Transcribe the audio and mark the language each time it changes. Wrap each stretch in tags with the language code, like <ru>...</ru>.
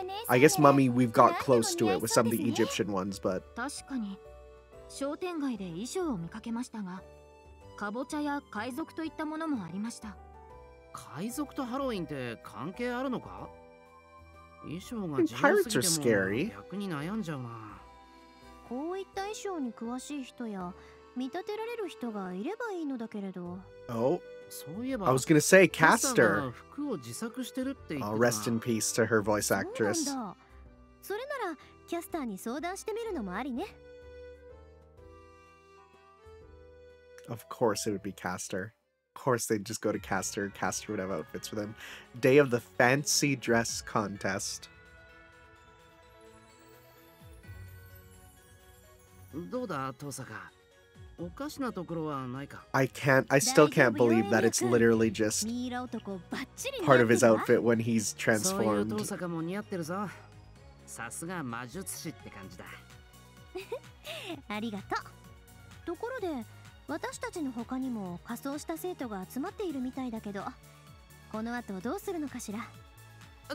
<en>I guess Mummy, we've got close to it with some of the Egyptian ones, but...</en> <ja>商店街で衣装を見かけましたが、かぼちゃや海賊といったものもありました。海賊とハロウィンって関係あるのか？衣装が自由すぎても逆に悩んじゃうな。こういった衣装に詳しい人や見立てられる人がいればいいのだけれど。そういえば、</ja> <en>I was gonna say caster.</en> <ja>服を自作してるって言ってた。</ja> <en>Rest in peace to her voice actress.</en> <ja>そうなんだ。それならキャスターに相談してみるのもありね。</ja> <en>Of course it would be caster. Of course they'd just go to caster. Caster would have outfits for them. Day of the fancy dress contest.</en> <ja>どうだ、トサカ。おかしなところはないか。</ja> <en>I still can't believe that it's literally just part of his outfit when he's transformed.</en> <ja>そういうトサカも似合ってるぞ。さすが魔術師って感じだ。ありがとう。ところで、私たちの他にも仮装した生徒が集まっているみたいだけど、この後どうするのかしら。</ja>